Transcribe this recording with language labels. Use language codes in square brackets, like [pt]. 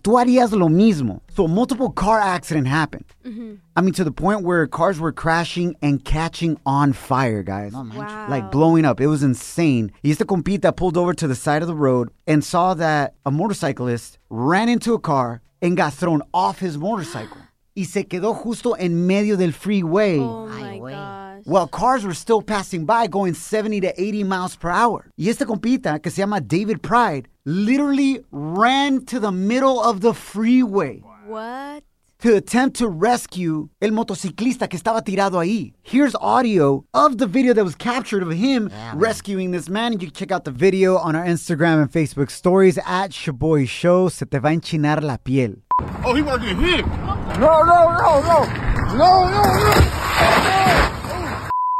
[es] Tú harías lo mismo. [en] So a multiple car accident happened. Mm-hmm. I mean, to the point where cars were crashing and catching on fire, guys. Oh, wow. Like blowing up. It was insane. He used to compete that pulled over to the side of the road and saw that a motorcyclist ran into a car and got thrown off his motorcycle. [es] Y se quedó justo en medio del freeway. [en] Oh my gosh. Cars were still passing by going 70 to 80 miles per hour. [es] Y este compita, que se llama [en] David Pride, literally ran to the middle of the freeway. What? To attempt to rescue [es] el motociclista que estaba tirado ahí. [en] Here's audio of the video that was captured of him rescuing this man. You can check out the video on our Instagram and Facebook stories at Shaboy Show. [es] Se te va a enchinar la piel. [en] Oh, he wanted to get hit. No.